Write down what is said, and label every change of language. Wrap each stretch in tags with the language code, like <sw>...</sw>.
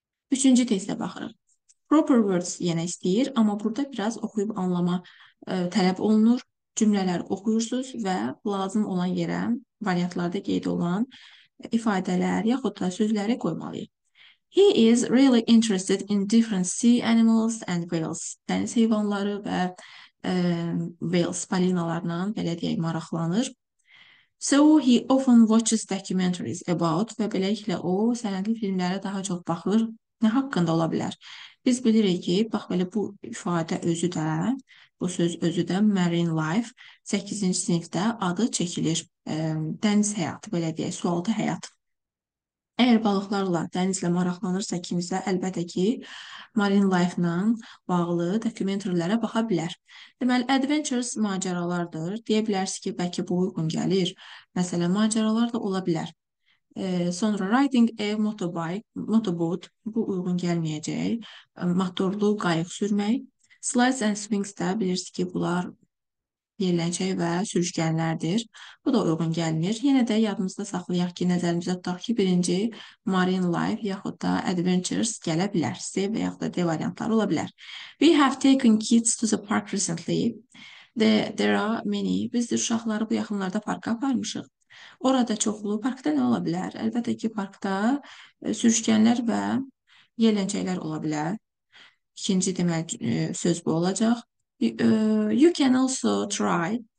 <az>Üçüncü testə baxırıq. Proper words yenə istəyir, amma burada biraz oxuyub anlama tələb olunur. Cümlələri oxuyursunuz və lazım olan yerə variantlarda qeyd olan ifadələr yaxud da sözləri qoymalıyıq.</az> <en>He is really interested in different sea animals and whales. Dəniz heyvanları və whales, balinalarla belə deyək, maraqlanır. So he often watches documentaries about</en> <az>və beləliklə o sənədli filmlərə daha çox baxır. Nə haqqında ola bilər? Biz bilirik ki, bax, belə bu ifadə özü də, bu söz özü də marine life 8-ci sinifdə adı çəkilir. Dəniz həyatı, belə deyək, sualtı həyat. Əgər balıqlarla, dənizlə maraqlanırsa kimsə, əlbəttə ki, Marine Life-la bağlı dokumentarilərə baxa bilər. Deməli, adventures maceralardır. Deyə bilərsiniz ki, bəlkə bu uyğun gəlir. Məsələn, maceralar da ola bilər. Sonra</az> <en>riding a motorbike,</en> <az>motorboat, bu uyğun gəlməyəcək. Motorlu qayıq sürmək.</az> <en>Slides and swings</en> <az>də bilirsiniz ki, bunlar yeriləcək və sürüşkənlərdir. Bu da uyğun gəlmir. Yenə də yadımızda saxlayaq ki, nəzərimizə tutaq ki, birinci Marine Life yaxud da Adventures gələ bilər. C və yaxud da D variantları ola bilər.</az> <en>We have taken kids to the park recently. There are many.</en> <az>Biz də uşaqları bu yaxınlarda parka aparmışıq. Orada çoxlu parkda nə ola bilər? Əlbəttə ki, parkda sürüşkənlər və yeriləcəklər ola bilər. İkinci deməli söz bu olacaq.</az> <en>You can also try.</en>